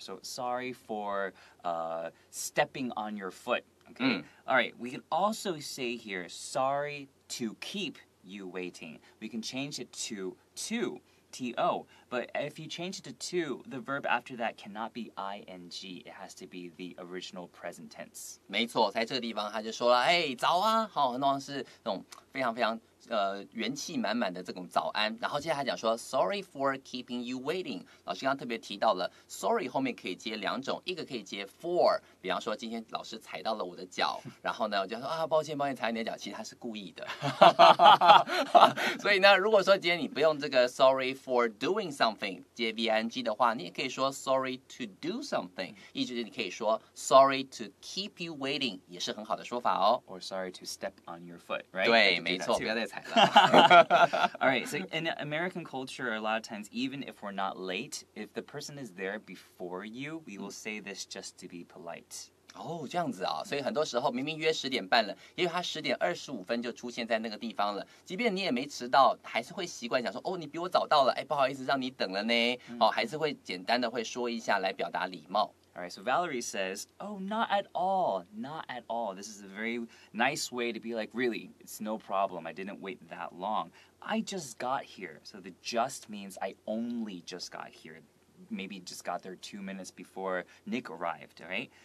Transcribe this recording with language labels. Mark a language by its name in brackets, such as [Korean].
[English] So sorry for stepping on your foot. Okay. All right. We can also say here, sorry to keep you waiting. We can change it to. T-O. But if you change it to two, the verb after that cannot be ing. It has to be the original present tense. [Chinese] 没错，在这个地方他就说了，哎，早啊，好，那是那种非常非常元气满满的这种早安。然后接下来讲说 [English] ，Sorry for keeping you waiting。 [Chinese] 老师刚刚特别提到了 ，Sorry 后面可以接两种，一个可以接 for， 比方说今天老师踩到了我的脚，然后呢我就说啊，抱歉抱歉，踩你的脚，其实他是故意的。所以呢，如果说今天你不用这个 [English] Sorry for doing something [Chinese] 接 ving 的话，你也可以说 [English] Sorry to do something， [Chinese] 意思就是你可以说 [English] Sorry to keep you waiting [Chinese] 也是很好的说法哦。 [English] Or sorry to step on your foot， right？ [Chinese] 对，没错，不要再。 [English] All right, so in American culture, a lot of times, even if we're not late, if the person is there before you, we will say this just to be polite. [Chinese] 哦，这样子啊，所以很多时候明明约十点半了，因为他10点25分就出现在那个地方了，即便你也没迟到，还是会习惯想说，哦，你比我早到了，哎，不好意思，让你等了呢。哦，还是会简单的会说一下来表达礼貌。 [English] All right, so Valerie says, oh, not at all, not at all. This is a very nice way to be like, really, it's no problem. I didn't wait that long. I just got here. So the just means I only just got here. Maybe just got there 2 minutes before Nick arrived, right?